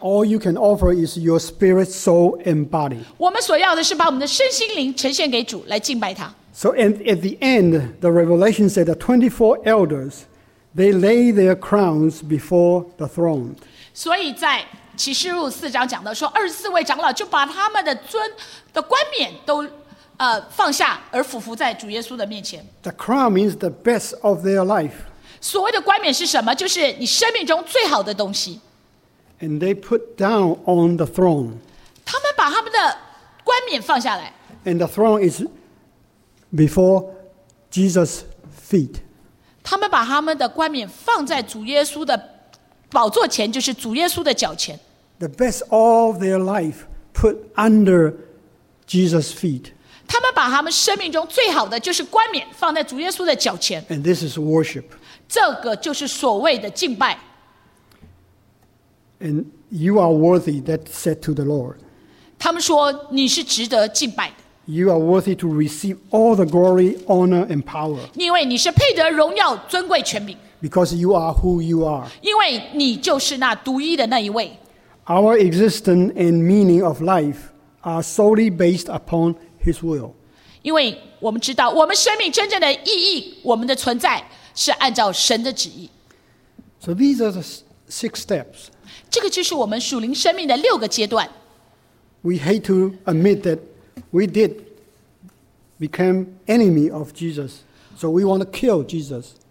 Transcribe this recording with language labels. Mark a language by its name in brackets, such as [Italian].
[English] All you can offer is your spirit, soul, and body. [Chinese] 我们所要的是把我们的身心灵呈现给主来敬拜他。 [English] So, and at the end, the revelation said that 24 elders. They lay their crowns before the throne. [Chinese] 所以在启示录四章讲到说，二十四位长老就把他们的尊的冠冕都放下，而俯伏在主耶稣的面前。 [English] The crown means the best of their life. [Chinese] 所谓的冠冕是什么？就是你生命中最好的东西。 [English] And they put down on the throne. [Chinese] 他们把他们的冠冕放下来。 [English] And the throne is before Jesus' feet. [Chinese] 他们把他们的冠冕放在主耶稣的宝座前，就是主耶稣的脚前。 [English] The best of their life put under Jesus' feet. [Chinese] 他们把他们生命中最好的，就是冠冕放在主耶稣的脚前。 [English] And this is worship. [Chinese] 这个就是所谓的敬拜。 [English] And you are worthy, that said to the Lord. [Chinese] 他们说你是值得敬拜的。 [English] You are worthy to receive all the glory, honor, and power. [Chinese] 因为你是配得荣耀、尊贵、权柄。 [English] Because you are who you are. [Chinese] 因为你就是那独一的那一位。 [English] Our existence and meaning of life are solely based upon His will. [Chinese] 因为我们知道，我们生命真正的意义，我们的存在是按照神的旨意。 [English] So these are the six steps. [Chinese] 这个就是我们属灵生命的六个阶段。 [English] We hate to admit that. We did become enemy of Jesus, so we want to kill Jesus.